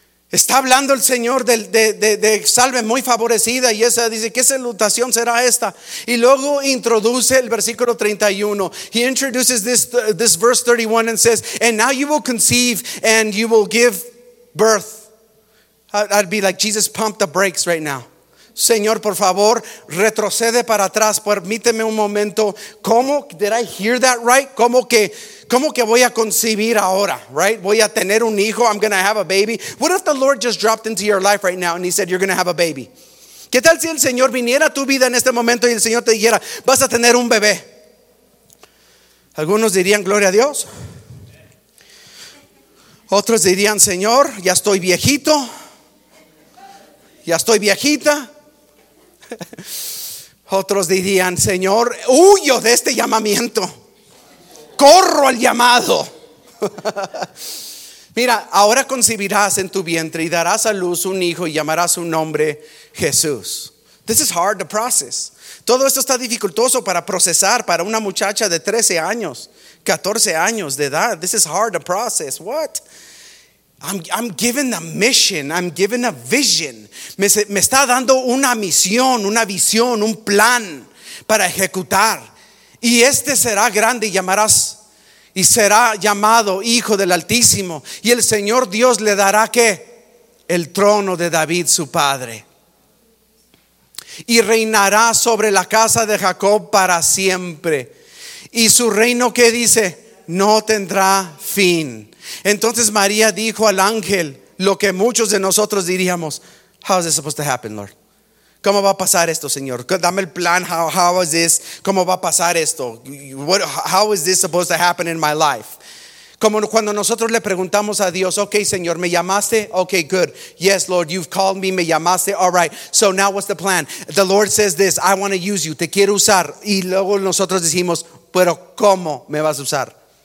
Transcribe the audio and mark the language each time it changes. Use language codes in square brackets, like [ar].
[es] Está hablando el Señor de salve muy favorecida, y esa dice, ¿qué salutación será esta? Y luego introduce el versículo 31. [en] He introduces this verse 31 and says, and now you will conceive and you will give birth. I'd be like, Jesus, pump the brakes right now. [es] Señor, por favor, retrocede para atrás. Permíteme un momento. ¿Cómo? [en] Did I hear that right? [es] ¿Cómo que voy a concebir ahora? [en] Right? [es] Voy a tener un hijo. [en] I'm going to have a baby. What if the Lord just dropped into your life right now and he said, you're going to have a baby? [es] ¿Qué tal si el Señor viniera a tu vida en este momento y el Señor te dijera, vas a tener un bebé? Algunos dirían, gloria a Dios. Otros dirían, Señor, ya estoy viejito. Ya estoy viejita. Otros dirían, Señor, huyo de este llamamiento, corro al llamado. Mira, ahora concebirás en tu vientre y darás a luz un hijo y llamarás su nombre Jesús. [en] This is hard to process. [es] Todo esto está dificultoso para procesar para una muchacha de 13 años, 14 años de edad. [en] This is hard to process. What? I'm given a mission, I'm given a vision. [es] Me está dando una misión, una visión, un plan para ejecutar. Y este será grande y llamarás, y será llamado Hijo del Altísimo. Y el Señor Dios le dará, ¿qué? El trono de David, su padre. Y reinará sobre la casa de Jacob para siempre. Y su reino, ¿qué dice? No tendrá fin. Entonces María dijo al ángel lo que muchos de nosotros diríamos, [en] how is this supposed to happen, Lord? [es] ¿Cómo va a pasar esto, Señor? Dame el plan. [en] How is this? [es] ¿Cómo va a pasar esto? [en] How is this supposed to happen in my life? [es] Como cuando nosotros le preguntamos a Dios, okay, Señor, ¿me llamaste? [en] Okay, good. Yes, Lord, you've called me, [es] me llamaste. [en] All right, so now what's the plan? The Lord says this, I want to use you, [es] te quiero usar. Y luego nosotros decimos, pero ¿cómo me vas a usar?